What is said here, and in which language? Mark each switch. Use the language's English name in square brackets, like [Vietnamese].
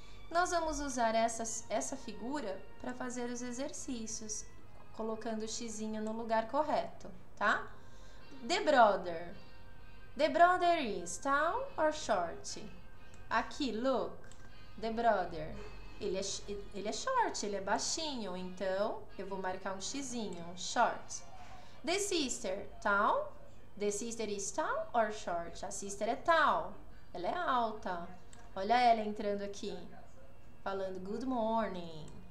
[Portuguese] Nós vamos usar essa figura para fazer os exercícios, colocando o xizinho no lugar correto, tá? [English] The brother is tall or short? [Portuguese] Aqui, [English] look, the brother, [Portuguese] ele é short, ele é baixinho, então eu vou marcar um xizinho, short. [English] The sister, tall? The sister is tall or short? [Portuguese] A sister é tall, ela é alta. Olha ela entrando aqui, falando [English] good morning.